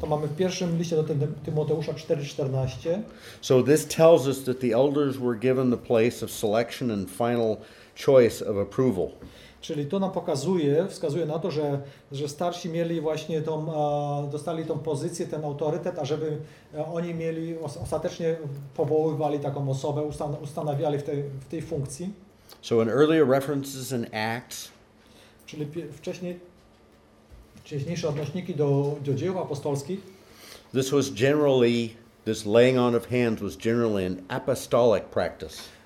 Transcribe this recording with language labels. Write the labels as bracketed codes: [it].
[pl] To mamy w pierwszym liście do Tymoteusza 4:14. [en] So this tells us that the elders were given the place of selection and final choice of approval. [pl] Czyli to nam pokazuje, wskazuje na to, że starsi mieli właśnie tą, dostali tą pozycję, ten autorytet, ażeby oni mieli, ostatecznie powoływali taką osobę, ustanawiali w tej funkcji. [en] So in earlier references in Acts. [pl] Czyli wcześniejsze odnośniki do dzieł apostolskich. [en] This was generally, this laying on of hands was generally an apostolic practice.